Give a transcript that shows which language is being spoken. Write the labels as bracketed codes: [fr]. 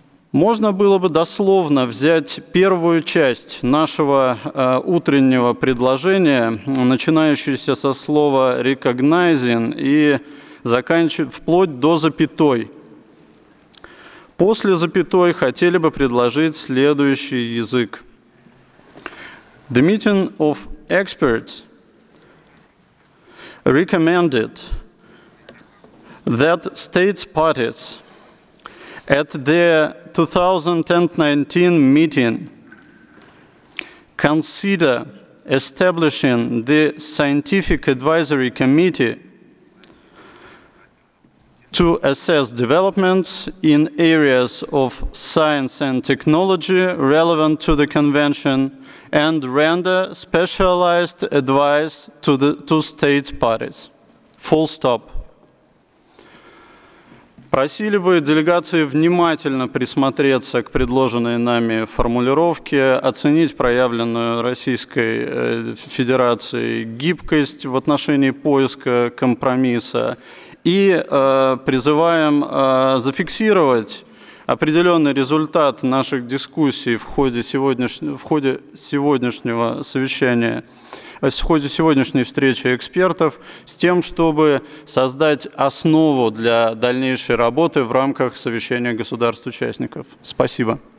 [ru] Можно было бы дословно взять первую часть нашего утреннего предложения, начинающуюся со слова «recognizing» и заканчивая вплоть до запятой. После запятой хотели бы предложить следующий язык. [en] The meeting of experts recommended that states' parties at the 2019 meeting consider establishing the Scientific Advisory Committee to assess developments in areas of science and technology relevant to the convention and render specialized advice to the two states parties. Full stop. [ru] Просили бы делегации внимательно присмотреться к предложенной нами формулировке, оценить проявленную Российской Федерацией гибкость в отношении поиска компромисса и призываем зафиксировать определенный результат наших дискуссий в ходе сегодняшней встречи экспертов с тем, чтобы создать основу для дальнейшей работы в рамках совещания государств-участников. Спасибо.